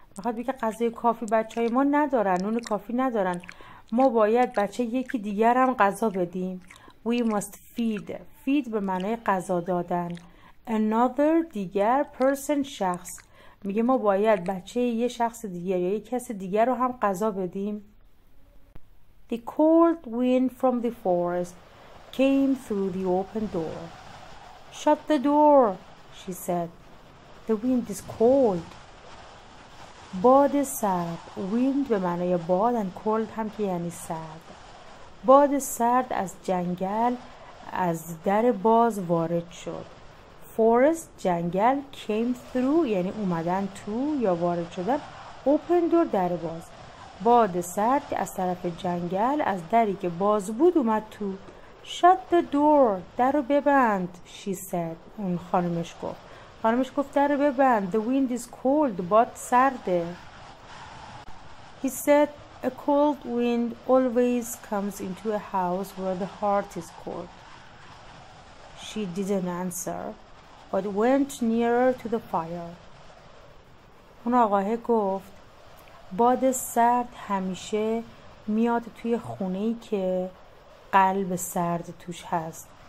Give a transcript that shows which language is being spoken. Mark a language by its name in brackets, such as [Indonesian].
[Persian] میخواد بگه غذای کافی بچه های ما ندارن. نون کافی ندارن. ما باید بچه یکی دیگر هم غذا بدیم. [English] We must feed. Feed [Persian] به معنای غذا دادن. [English] Another دیگر person شخص. [Persian] میگه ما باید بچه یه شخص دیگر یا یه کس دیگر رو هم غذا بدیم. [English] The cold wind from the forest came through the open door. Shut the door, she said. The wind is cold. [Persian] باد سرد. Wind به معنی باد and cold هم که یعنی سرد. باد سرد از جنگل از در باز وارد شد. Forest جنگل came through یعنی اومدن تو یا وارد شدن. Open door در باز. باد سرد از طرف جنگل از دری که باز بود اومد تو. [English] Shut the door [Persian] در رو ببند [English] she said [Persian] اون خانمش گفت. خانمش گفت در رو ببند. [English] The wind is cold [Persian] باد سرده. He said a cold wind always comes into a house where the heart is cold. She didn't answer but went nearer to the fire. اون آقاه گفت باد سرد همیشه میاد توی خونه‌ای که قلب سرد توش هست.